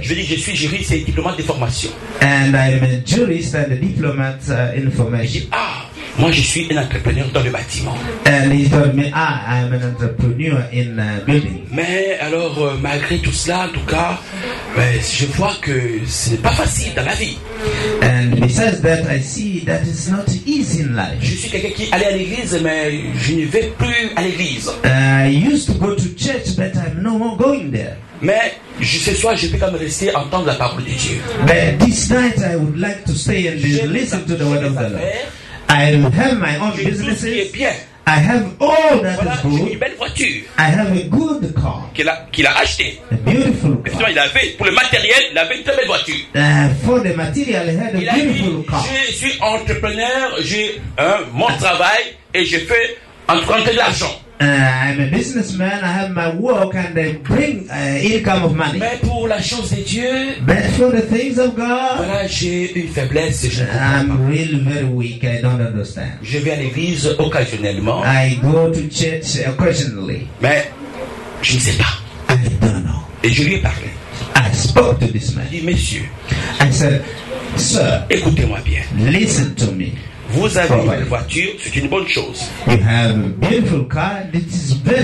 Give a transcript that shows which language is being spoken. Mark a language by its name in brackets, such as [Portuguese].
[French] Je dis, je suis juriste et diplomate de formation. [English] And I'm a jurist and a diplomat in formation. [French] Moi, je suis un entrepreneur dans le bâtiment. [English] And he told me, I'm an entrepreneur in building. [French] Mais alors, malgré tout cela, en tout cas, mais je vois que ce n'est pas facile dans la vie. [English] And besides that, I see that it's not easy in life. [French] Je suis quelqu'un qui allait à l'église, mais je ne vais plus à l'église. [English] I used to go to church, but I'm no more going there. [French] Mais ce soir, je peux quand même rester entendre la parole de Dieu. [English] But this night, I would like to stay and listen to the word of the Lord. I have my own businesses. I have all that voilà, is good. [French] J'ai une belle voiture. [English] I have a good car. [French] Qu'il a acheté. [English] A beautiful car. [French] Il avait, pour le matériel, il avait une très belle voiture. [English] For the material, he had a [French] il [English] beautiful [French] a dit, [English] car. [French] Je suis entrepreneur, j'ai mon travail et je fais emprunter de l'argent. [English] I'm a businessman, I have my work and I bring income of money. [French] Mais pour la chance de Dieu, [English] but for the things of God, [French] voilà, j'ai une faiblesse, je [English] I'm really very weak, I don't understand. [French] Je vais à l'église occasionnellement. [English] I go to church occasionally. [French] Mais je ne sais pas. [English] I don't know. [French] Et je lui ai parlé. [English] I spoke to this man. [French] Je dis, monsieur, [English] I said, sir, [French] écoutez-moi bien. [English] Listen to me. [French] Vous avez une belle voiture, c'est une bonne chose. [English] You have a beautiful car, this is very